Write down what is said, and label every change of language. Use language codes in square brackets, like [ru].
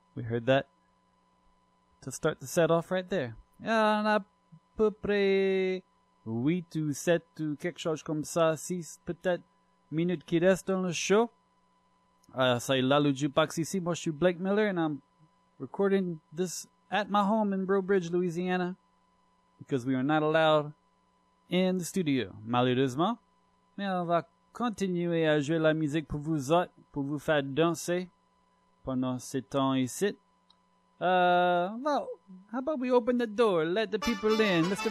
[en] We heard that to start the set off right there. [fr] Et on a à peu près 8 ou 7 ou quelque chose comme ça, 6 peut-être. Minute qui reste dans le show. C'est Lalu Jukebox ici. Moi, je suis [en] Blake Miller and I'm recording this at my home in Brobridge, Louisiana, because we are not allowed in the studio, [fr] malheureusement. Mais on va continuer à jouer la musique pour vous autres, pour vous faire danser pendant ces temps ici. [en] How about we open the door, let the people in, Mr.